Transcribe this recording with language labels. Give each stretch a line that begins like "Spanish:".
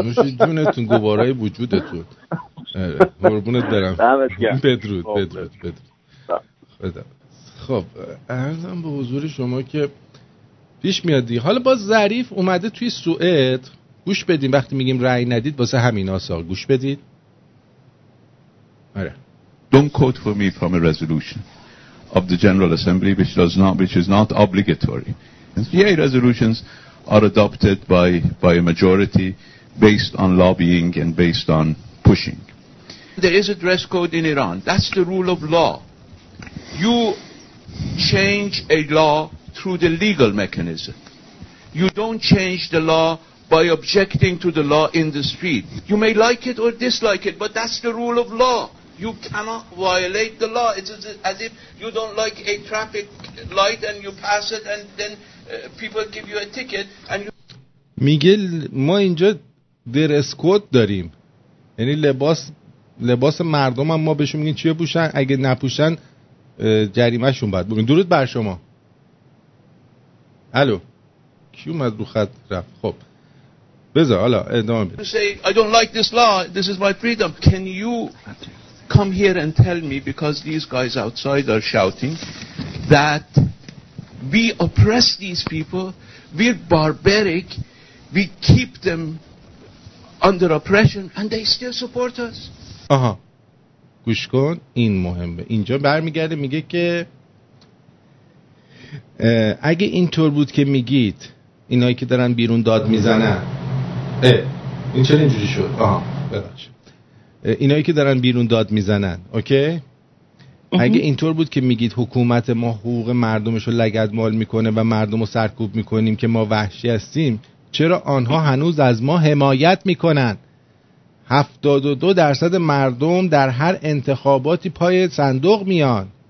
Persian: نوش جونتون گوارای وجودتون آره قربونت برم دمت گرم بدرود خدا خب عرضم به حضور شما که پیش میاد دیگه حالا باز ظریف اومده توی سوئد گوش بدین وقتی میگیم رأی ندید واسه همینا سوال گوش بدید
English: Don't quote for me from a resolution of the General Assembly, which is not obligatory. Yay, resolutions are adopted by a majority based on lobbying and based on pushing. There is a dress code in Iran. That's the rule of law. You change a law through the legal mechanism. You don't change the law by objecting to the law in the street. You may like it or dislike it, but that's the rule of law. You cannot violate the law. It's as if you don't like a traffic light and you pass it and then people give you a ticket and you...
Persian: میگل ما اینجا درس کد داریم. یعنی لباس مردم هم ما بهشون میگیم چیه پوشن، اگه نپوشن جریمه شون باید بگیم. درود بر شما. الو کیوم از رو خط رفت؟ خب بذار حالا ادامه بده.
English: You say I don't like this law, this is my freedom. Can you come here and tell me, because these guys outside are shouting, that we oppress these people, we're barbaric, we keep them under oppression and they still support us.
Persian: آها گوش کن، این مهمه. اینجا برمیگرده میگه که اگه اینطور بود که میگید اینایی که دارن بیرون داد میزنن، این چرا اینجوری شد؟ آها ببخشید. اینایی که دارن بیرون داد میزنن، اوکی؟ اگه اینطور بود که میگید حکومت ما حقوق مردمش رو لگدمال میکنه و مردم رو سرکوب میکنیم که ما وحشی هستیم، چرا آنها هنوز از ما حمایت میکنن؟ 72% مردم در هر انتخاباتی پای صندوق میان.